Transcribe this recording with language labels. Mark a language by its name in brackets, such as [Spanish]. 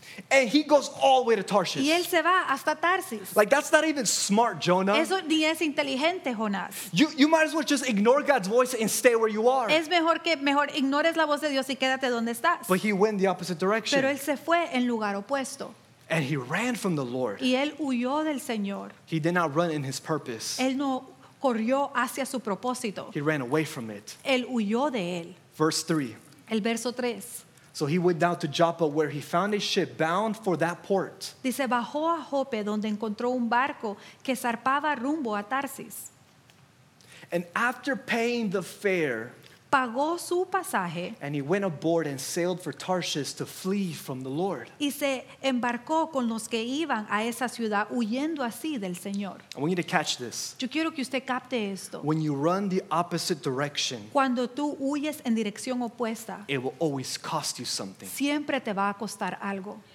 [English] And he goes all the way to Tarshish. [Spanish] Y él se va hasta Tarsis. [English] Like, that's not even smart, Jonah. [Spanish] Eso ni es inteligente, Jonás. [English] You might as well just ignore God's voice and stay where you are. [Spanish] Es mejor que mejor ignores la voz de Dios y quédate donde estás. [English] But he went the opposite direction. [Spanish] Pero él se fue en lugar opuesto. [English] And he ran from the Lord. [Spanish] Y él huyó del Señor. [English] He did not run in his purpose. [Spanish] Él no corrió hacia su propósito. [English] He ran away from it. [Spanish] Él huyó de él. [English] Verse 3. [Spanish] El verso 3. [English] So he went down to Joppa, where he found a ship bound for that port. [Spanish] Dice, bajó a Joppa, donde encontró un barco que zarpaba rumbo a Tarsis. [English] And after paying the fare, [Spanish] pagó su pasaje, [English] and he went aboard and sailed for Tarshish to flee from the Lord. [Spanish] Y se embarcó con los que iban a esa ciudad, huyendo así del Señor. [English] I want you to catch this. [Spanish] Yo quiero que usted capte esto. [English] When you run the opposite direction, [Spanish] cuando tú huyes en dirección opuesta, [English] it will always cost you something. [Spanish] Siempre te va a costar algo.